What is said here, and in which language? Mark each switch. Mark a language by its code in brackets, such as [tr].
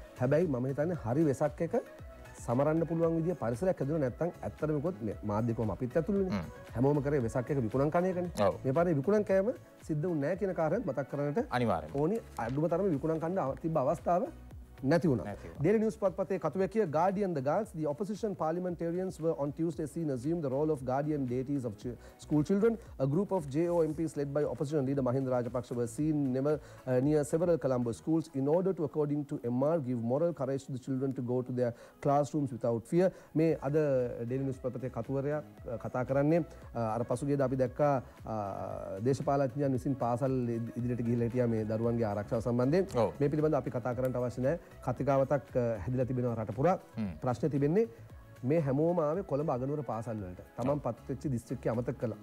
[si] හැබැයි මම හිතන්නේ හරි වෙසක් එක සමරන්න පුළුවන් විදිහ පරිසරයක් හදුවා නැත්නම් ඇත්තටම කොත් මේ මාධ්‍ය කොම අපිත් ඇතුළුනේ. හැමෝම කරේ වෙසක් එක විකුණන් කණ එකනේ. ඔව් මේ පාරේ විකුණන් කෑම සිද්ධුුනේ නැහැ කියන කාරණේ මතක් කරගන්නට අනිවාර්යයෙන්. ඕනි අඩුම තරම විකුණන් කන්න තිබ්බ අවස්ථාව නැති වුණා. [en] Daily newspaper [si] පත්තේ කතුවැකිය [en] Guardian the Girls the opposition parliamentarians were on Tuesday seen assume the role of guardian deities of school children. A group of JOMPs led by opposition leader Mahinda Rajapaksha were seen near several Colombo schools in order to according to MR give moral courage to the children to go to their classrooms without fear. [si] මේ අද Daily newspaper පත්තේ කතුවරයා කතා කරන්නේ අර පසුගියද අපි දැක්කා දේශපාලඥයන් විසින් පාසල් ඉදිරියට ගිහිල්ලා හිටියා මේ දරුවන්ගේ ආරක්ෂාව සම්බන්ධයෙන් මේ පිළිබඳව අපි කතා කරන්න අවශ්‍ය නැහැ. කතිකාවතක් හැදිලා තිබෙනවා රට පුරා ප්‍රශ්න තිබෙන්නේ මේ හැමෝම ආවේ කොළඹ අගනුවර පාසල් වලට තමන් පත් වෙච්ච දිස්ත්‍රික්කයේ අමතක කළා.